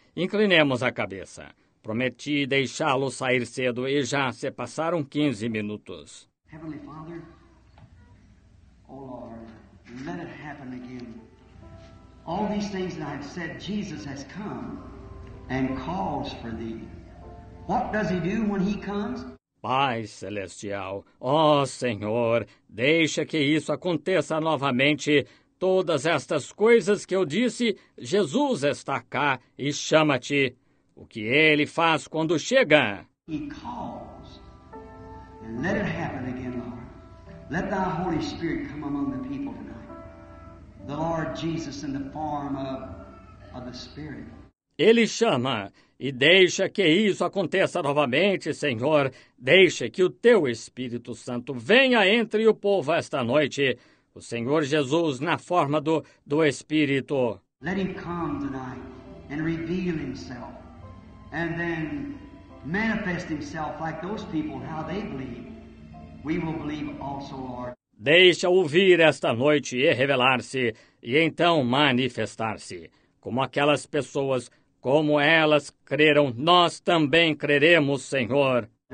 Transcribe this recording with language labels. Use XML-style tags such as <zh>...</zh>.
<pt>Inclinemos a cabeça. Prometi deixá-lo sair cedo e já se passaram 15 minutos.</pt> <en>Heavenly Father, oh Lord, let it happen again. All these things that I've said, Jesus has come and calls for thee. What does he do when he comes?</en> <pt>Pai Celestial, oh Senhor, deixa que isso aconteça novamente. Todas estas coisas que eu disse, Jesus está cá e chama-te. O que ele faz quando chega?</pt> <en>He calls. And let it happen again, Lord. Let thy Holy Spirit come among the people tonight. The Lord Jesus in the form of the Spirit.</en> <pt>Ele chama, e deixa que isso aconteça novamente, Senhor. Deixa que o Teu Espírito Santo venha entre o povo esta noite. O Senhor Jesus na forma do Espírito.</pt> <en>Let Him come tonight and reveal Himself. And then manifest Himself like those people, how they believe. We will believe also, Lord.</en> <pt>Deixa ouvir esta noite e revelar-se, e então manifestar-se, como aquelas pessoas. Como elas creram, nós também creremos, Senhor.</pt>